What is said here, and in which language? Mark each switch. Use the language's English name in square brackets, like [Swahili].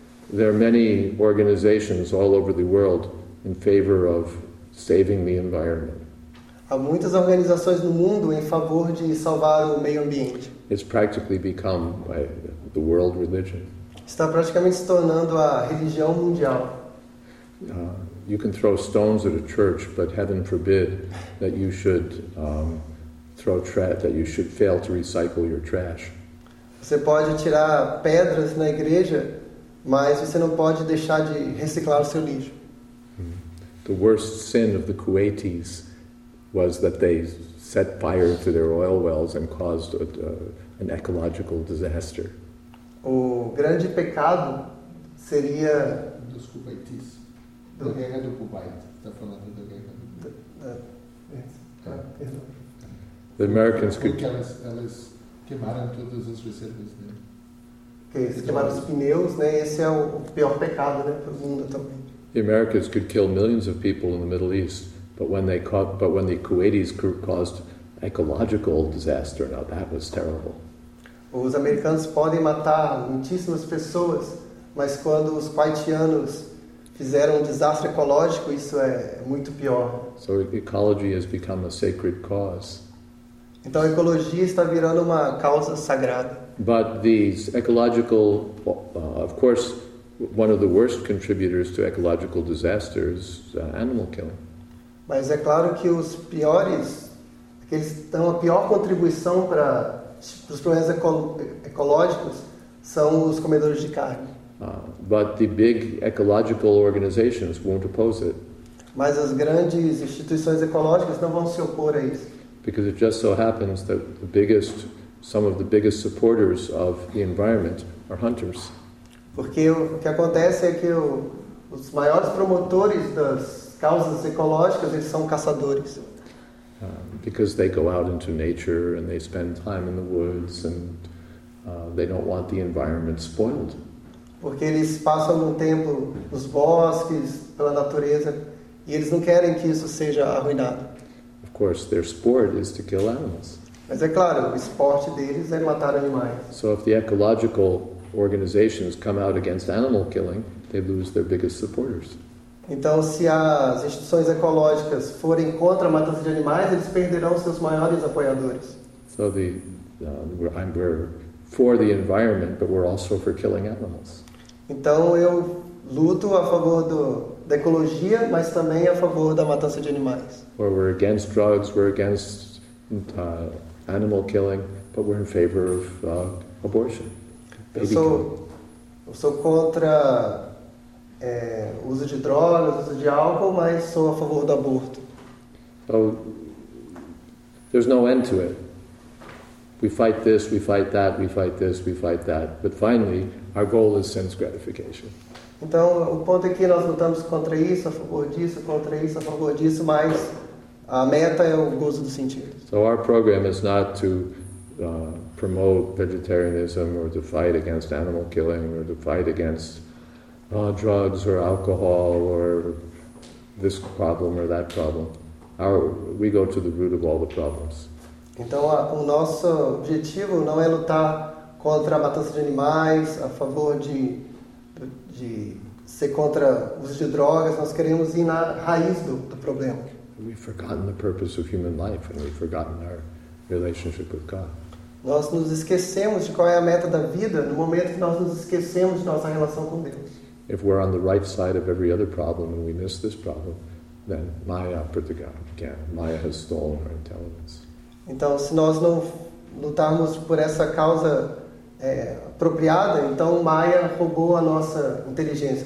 [English] There are many organizations all over the world in favor of saving the environment. [Portuguese] Há muitas organizações no mundo em favor de salvar o meio ambiente. [English] It's practically become the world religion. [Portuguese] Está praticamente se tornando a religião mundial. [English] You can throw stones at a church, but heaven forbid that you should that you should fail to recycle your trash. [Portuguese] Você pode tirar pedras na igreja, mas você não pode deixar de reciclar o seu lixo. [English] The worst sin of the Kuwaitis was that they set fire to their oil wells and caused an ecological disaster. [Portuguese] O grande pecado seria dos Kuwaitis. Da guerra do Kuwait. Está falando da guerra do [English] Kuwait. The Americans could. [Portuguese] Elas queimaram todas as reservas, né? Que eles queimaram os pneus, né? Esse é o pior pecado, né, para o mundo também. [English] The Americans could kill millions of people in the Middle East, but when the Kuwaitis caused ecological disaster, now that was terrible. [Portuguese] Os americanos podem matar muitíssimas pessoas, mas quando os kuwaitianos fizeram um desastre ecológico, isso é muito pior. [English] So ecology has become a sacred cause. [Portuguese] Então a ecologia está virando uma causa sagrada. [English] But these ecological, of course, one of the worst contributors to ecological disasters, animal killing. [Portuguese] Mas é claro que os piores, aqueles que dão a pior contribuição para os problemas ecológicos são os comedores de carne. [English] But the big ecological organizations won't oppose it. [Portuguese] Mas as grandes instituições ecológicas não vão se opor a isso. [English] Because it just so happens that some of the biggest supporters of the environment are hunters. [Portuguese] Porque o que acontece é que os maiores promotores das causas ecológicas, eles são caçadores. [English] Because they go out into nature and they spend time in the woods and they don't want the environment spoiled. [Portuguese] Porque eles passam um tempo nos bosques, pela natureza, e eles não querem que isso seja arruinado. [English] Of course, their sport is to kill animals. [Portuguese] Mas é claro, o esporte deles é matar animais. [English] So if the ecological organizations come out against animal killing, they lose their biggest supporters. [Portuguese] Então, se as instituições ecológicas forem contra a matança de animais, eles perderão seus maiores apoiadores. [English] So we're for the environment, but we're also for killing animals. [Portuguese] Então, eu luto a favor da ecologia, mas também a favor da matança de animais. [English] Or we're against drugs, we're against animal killing, but we're in favor of abortion. [Portuguese] Eu sou contra uso de drogas, uso de álcool, mas sou a favor do aborto. [English] So, there's no end to it. We fight this, we fight that, we fight this, we fight that. But finally, our goal is sense gratification. [Portuguese] Então, o ponto é que nós lutamos contra isso, a favor disso, contra isso, a favor disso, mas a meta é o gozo do sentido. [English] So our program is not to promote vegetarianism or to fight against animal killing or to fight against drugs or alcohol or this problem or that problem. We go to the root of all the problems. [Portuguese] Então, o nosso objetivo não é lutar contra a matança de animais, a favor de ser contra o uso de drogas, nós queremos ir na raiz do problema. [English] We've forgotten the purpose of human life and we've forgotten our relationship with God. [Portuguese] Nós nos esquecemos de qual é a meta da vida no momento que nós nos esquecemos de nossa relação com Deus. [English] If we're on the right side of every other problem and we miss this problem, then Maya Pratigam again. Maya has stolen our intelligence. [Portuguese] Então, se nós não lutarmos por essa causa apropriada, então Maya roubou a nossa inteligência.